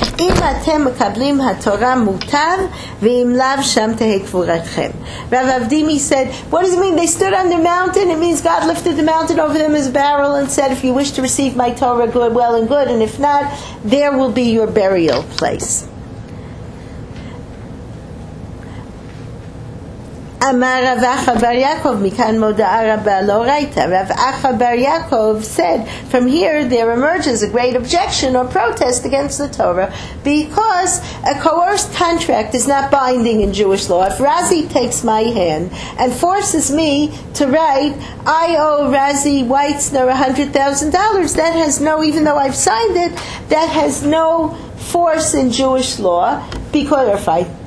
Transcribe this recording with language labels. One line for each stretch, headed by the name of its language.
Hebrew: אם אתם מקבלים התורה מותר ואם לאו שם תהיה קבורתכם.
English: רב אבדימי said, what does it mean? They stood on the mountain. It means God lifted the mountain over them as a barrel and said, if you wish to receive my Torah, good, well and good, and if not, there will be your burial place.
Hebrew: אמר רב אחא בר יעקב, מכאן מודעה רבה לא ראיתה.
English: רב אחא בר יעקב said, from here there emerges a great objection or protest against the Torah, because a coerced contract is not binding in Jewish law. If Razi takes my hand and forces me to write, I owe Razi Weitzner $100,000, that has no, even though I've signed it, that has no force in Jewish law, because if I...